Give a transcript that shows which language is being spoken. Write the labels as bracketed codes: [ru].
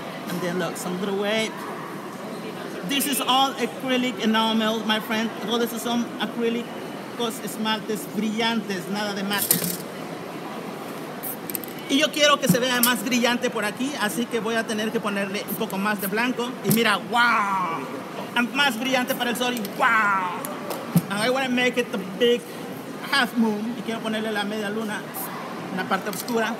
[en] And then look, some little waves. This is all acrylic enamel, my friend. [es] Todo eso son acrílicos esmaltes brillantes, nada de mates. Y yo quiero que se vea más brillante por aquí, así que voy a tener que ponerle un poco más de blanco. Y mira, wow! Más brillante para el sol y wow! [en] And I want to make it the big half moon. [es] Y quiero ponerle la media luna en la parte oscura.